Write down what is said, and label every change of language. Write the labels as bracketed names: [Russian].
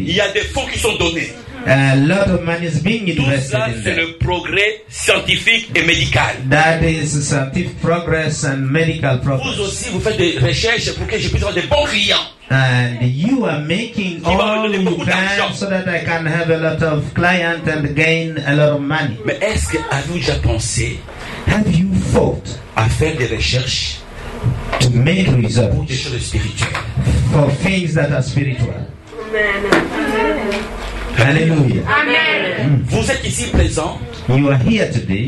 [French] Il y a des fonds qui sont donnés. [English] A lot of money is being invested. [French] Tout ça, [English] in [French] c'est [English] that. [French] Le progrès scientifique et médical. [English] That is scientific progress and medical progress. [French] Vous aussi, vous faites des recherches pour que je puisse avoir des bons clients. [English] And you are making [French] qui [English] all you can so that I can have a lot of clients and gain a lot of money. [French] Mais est-ce que avez-vous déjà pensé? [English] Have you thought [French] à faire des recherches [English] to make research [French] pour des choses spirituelles? [English] For things that are spiritual. Amen. Alléluia. Amen. [French] Vous êtes ici présent. [English] You are here today.